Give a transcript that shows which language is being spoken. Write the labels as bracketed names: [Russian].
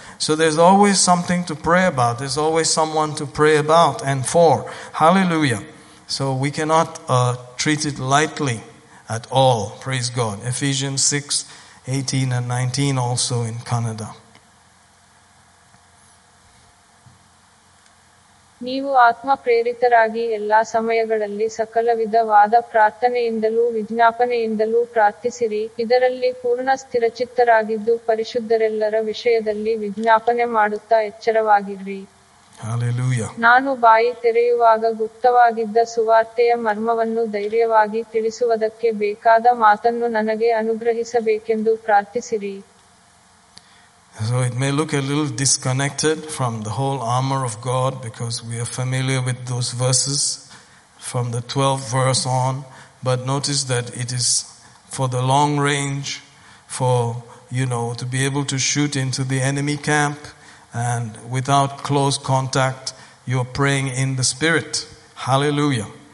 [English] So there's always something to pray about. There's always someone to pray about and for. Hallelujah. So we cannot treat it lightly at all. Praise God. Ephesians 6:18 and 19 also in Kannada. [Kannada] ನೀವು ಆತ್ಮ ಪ್ರೇರಿತರಾಗಿ ಎಲ್ಲಾ ಸಮಯಗಳಲ್ಲಿ ಸಕಲ ವಿಧವಾದ ಪ್ರಾರ್ಥನೆಯಿಂದಲೂ ವಿಜ್ಞಾಪನೆಯಿಂದಲೂ ಪ್ರಾರ್ಥಿಸಿರಿ. ಇದರಲ್ಲಿ ಪೂರ್ಣ ಸ್ಥಿರಚಿತ್ತರಾಗಿದ್ದು ಪರಿಶುದ್ಧರೆಲ್ಲರ ವಿಷಯದಲ್ಲಿ ವಿಜ್ಞಾಪನೆ ಮಾಡುತ್ತಾ ಎಚ್ಚರವಾಗಿರ್ರಿ. [English] Hallelujah. [Kannada] ನಾನು ಬಾಯಿ ತೆರೆಯುವಾಗ ಗುಪ್ತವಾಗಿದ್ದ ಸುವಾರ್ತೆಯ ಮರ್ಮವನ್ನು ಧೈರ್ಯವಾಗಿ ತಿಳಿಸುವುದಕ್ಕೆ ಬೇಕಾದ ಮಾತನ್ನು ನನಗೆ ಅನುಗ್ರಹಿಸಬೇಕೆಂದು ಪ್ರಾರ್ಥಿಸಿರಿ. [English] So it may look a little disconnected from the whole armor of God, because we are familiar with those verses from the 12th verse on. But notice that it is for the long range, for, you know, to be able to shoot into the enemy camp and without close contact, you're praying in the Spirit. Hallelujah.